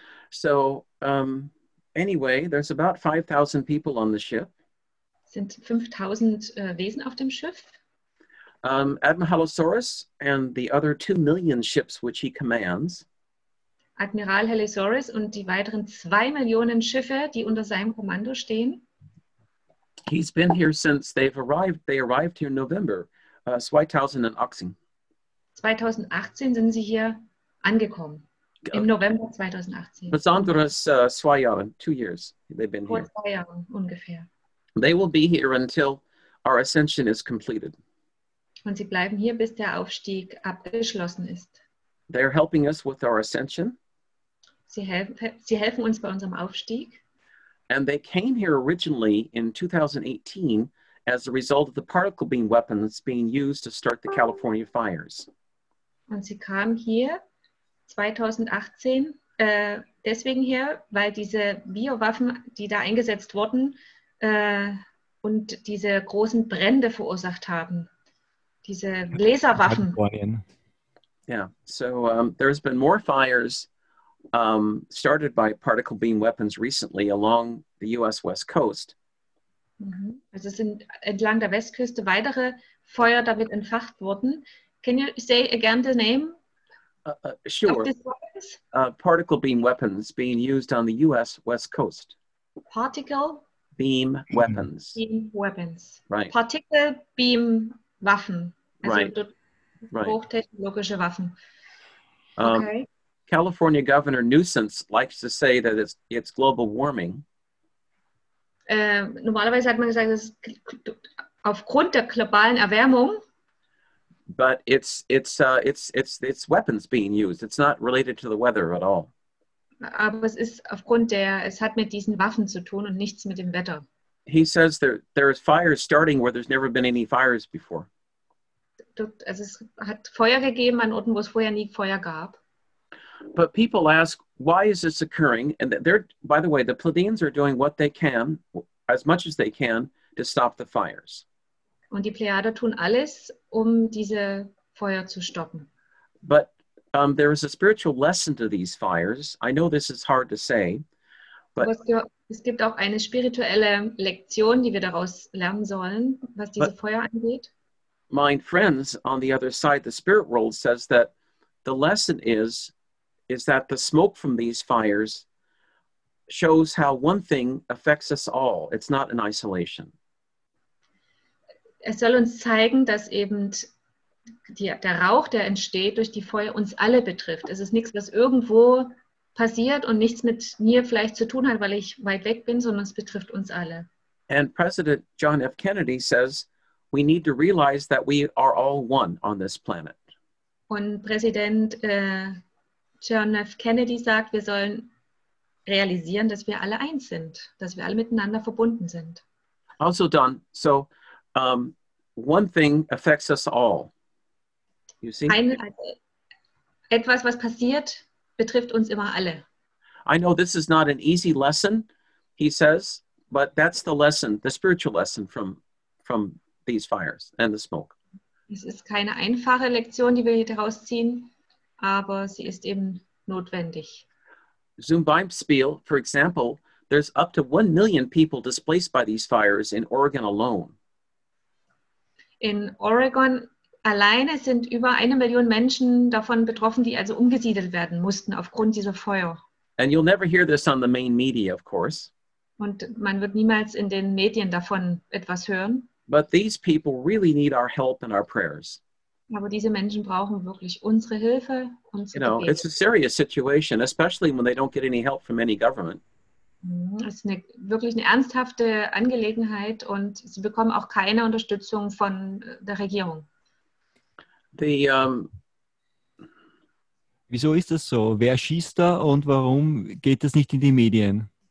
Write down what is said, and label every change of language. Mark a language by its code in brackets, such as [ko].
[en] So, anyway, there's about 5,000 people on the ship. [de] Sind 5,000 Wesen auf dem Schiff? [en] Admiralosaurus and the other 2 million ships which he commands. [de] Admiral Helisoris und die weiteren 2 Millionen Schiffe, die unter seinem Kommando stehen. [en] He's been here since they've arrived. They arrived here in November, 2018. [de] 2018 sind sie hier angekommen. Im November 2018. Besonders 2 Jahre, [en] 2 years they've been [de] vor [en] here. [de] Vor 2 Jahren ungefähr. [en] They will be here until our ascension is completed. [de] Und sie bleiben hier, bis der Aufstieg abgeschlossen ist. [en] They're helping us with our ascension. [de] Sie helfen uns bei unserem Aufstieg. [en] And they came here originally in 2018 as a result of the particle beam weapons being used to start the California fires. [de] Und sie kamen hier 2018 deswegen her, weil diese Biowaffen, die da eingesetzt wurden und diese großen Brände verursacht haben, diese Laserwaffen. [en] Yeah, so there's been more fires started by particle beam weapons recently along the U.S. West Coast. [de] Also sind entlang der Westküste weitere Feuer damit entfacht worden. [en] Can you say again the name? Sure. Particle beam weapons being used on the U.S. West Coast. Particle beam weapons. Beam weapons. Right. Particle beam Waffen. Right. [de] Hochtechnologische Waffen. [en] California Governor Newsom likes to say that it's global warming. [de] Normalerweise hat man gesagt, das ist aufgrund der globalen Erwärmung. [en] But it's weapons being used. It's not related to the weather at all. [de] Aber es ist aufgrund der, es hat mit diesen Waffen zu tun und nichts mit dem Wetter. [en] He says there is fires starting where there's never been any fires before. [de] Also es hat Feuer gegeben an Orten, wo es vorher nie Feuer gab. [en] But people ask, why is this occurring? And they're, by the way, the Pleiadians are doing what they can, as much as they can, to stop the fires. [de] Und die Plejader tun alles, um diese Feuer zu stoppen. [en] But there is a spiritual lesson to these fires. I know this is hard to say. But [de] es gibt auch eine spirituelle Lektion, die wir daraus lernen sollen, was diese Feuer angeht. [en] My friends on the other side, the spirit world, says that the lesson is that the smoke from these fires shows how one thing affects us all. It's not an isolation. [de] Es soll uns zeigen, dass eben der Rauch, der entsteht durch die Feuer, uns alle betrifft. Es ist nichts, was irgendwo passiert und nichts mit mir vielleicht zu tun hat, weil ich weit weg bin, sondern es betrifft uns alle. [en] And President John F. Kennedy says, we need to realize that we are all one on this planet. [de] Und Präsident John F. Kennedy sagt, wir sollen realisieren, dass wir alle eins sind, dass wir alle miteinander verbunden sind. [en] Also Don, so one thing affects us all. You see? [de] Etwas, was passiert, betrifft uns immer alle. [en] I know this is not an easy lesson, he says, but that's the lesson, the spiritual lesson from these fires and the smoke. [de] Es ist keine einfache Lektion, die wir hier daraus ziehen, aber sie ist eben notwendig. Zum Beispiel, [en] for example, there's up to 1 million people displaced by these fires in Oregon alone. [de] In Oregon alleine sind über 1 Million Menschen davon betroffen, die also umgesiedelt werden mussten aufgrund dieser Feuer. [en] And you'll never hear this on the main media, of course. [de] Und man wird niemals in den Medien davon etwas hören. [en] But these people really need our help and our prayers. [de] Aber diese Menschen brauchen wirklich unsere Hilfe und unsere Gebete. [en] It's a serious situation, especially when they don't get any help from any government. [de] Es ist wirklich eine ernsthafte Angelegenheit und sie bekommen auch keine Unterstützung von der Regierung. Wieso ist das so? Wer schießt da und warum geht das nicht in die Medien?